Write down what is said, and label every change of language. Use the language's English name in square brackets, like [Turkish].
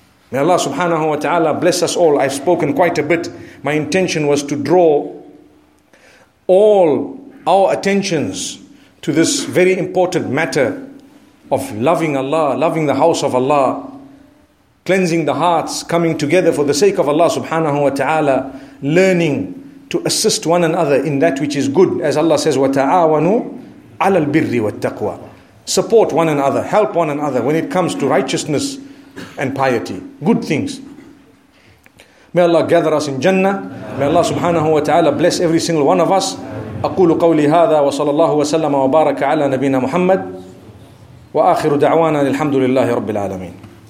[English] May Allah subhanahu wa ta'ala bless us all. I've spoken quite a bit. My intention was to draw all our attentions to this very important matter of loving Allah, loving the house of Allah, cleansing the hearts, coming together for the sake of Allah subhanahu wa ta'ala, learning to assist one another in that which is good. As Allah says, [Arabic] وَتَعَاوَنُوا عَلَى الْبِرِّ وَالتَّقْوَى. [English] Support one another, help one another when it comes to righteousness and piety. Good things. May Allah gather us in Jannah. May Allah subhanahu wa ta'ala bless every single one of us. [Arabic] أَقُولُ قَوْلِ هَذَا وَصَلَى اللَّهُ وَسَلَّمَ وَبَارَكَ عَلَى نَبِيْنَا مُحَمَّدٍ وآخر دعوانا الحمد لله رب العالمين.